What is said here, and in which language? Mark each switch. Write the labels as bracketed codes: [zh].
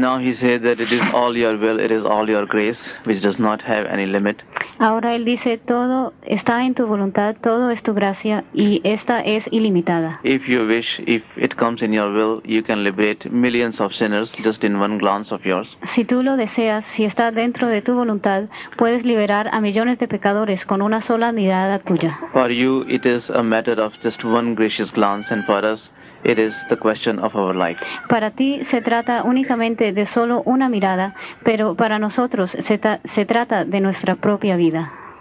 [en] Now he says that it is all your will, it is all your grace, which does not have any limit. [es] Ahora él dice todo está en tu voluntad, todo es tu gracia y esta es ilimitada. [en] If you wish, if it comes in your will, you can liberate millions of sinners just in one glance of yours. [es] Si tú lo deseas, si está dentro de tu voluntad, puedes liberar a millones de pecadores con una sola mirada tuya. [en] For you it is a matter of just one gracious glance and for us it is the question of our life. [es] Para ti se trata únicamente de solo una mirada, pero para nosotros se trata de nuestra propia vida.